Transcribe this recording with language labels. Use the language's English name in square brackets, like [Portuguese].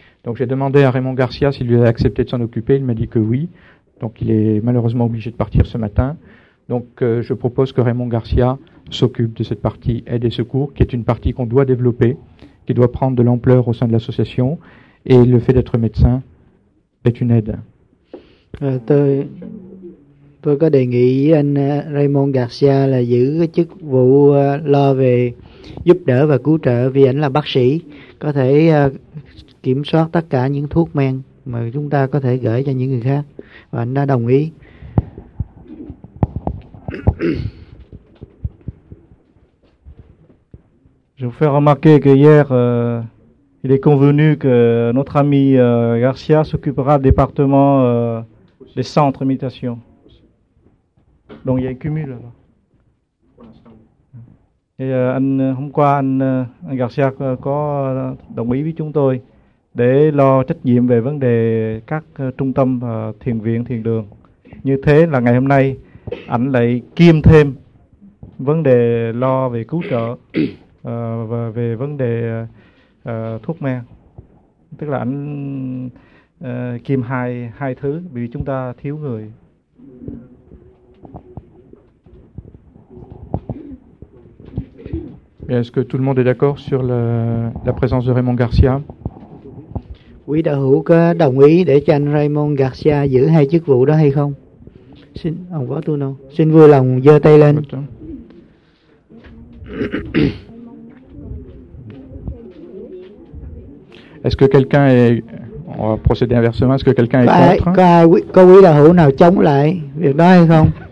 [French] Donc j'ai demandé à Raymond Garcia s'il lui a accepté de s'en occuper, il m'a dit que oui, donc il est malheureusement obligé de partir ce matin. Donc je propose que Raymond Garcia s'occupe de cette partie aide et secours, qui est une partie qu'on doit développer, qui doit prendre de l'ampleur au sein de l'association, et le fait d'être médecin est une aide. [Vietnamese] Tôi có đề nghị anh Raymond Garcia là giữ cái chức vụ lo về giúp đỡ và cứu trợ, vì anh là bác sĩ, có thể kiểm soát tất cả những thuốc men mà chúng ta có thể gửi cho những người khác, và anh đã đồng ý. [French] Je vous fais remarquer que hier, il est convenu que notre ami Garcia s'occupera du département des centres de méditation. Donc il y a un cumul. [Vietnamese] Et hôm qua anh Garcia có đồng ý với chúng tôi để lo trách nhiệm về vấn đề các trung tâm thiền viện, thiền đường. Như thế là ngày hôm nay, anh lại kiêm thêm vấn đề lo về cứu trợ. Và về vấn đề thuốc men, tức là anh kiêm hai thứ vì chúng ta thiếu người. [French] Et est-ce que tout le monde est d'accord sur la présence de Raymond Garcia? [Vietnamese] Quý đạo hữu có đồng ý để cho anh Raymond Garcia giữ hai chức vụ đó hay không? Xin ông võ tu nô, xin vui lòng giơ tay lên. [French] Est-ce que quelqu'un est... On va procéder inversement. Est-ce que quelqu'un est contre? [Vietnamese] Có quý đạo hữu nào chống lại việc đó hay không?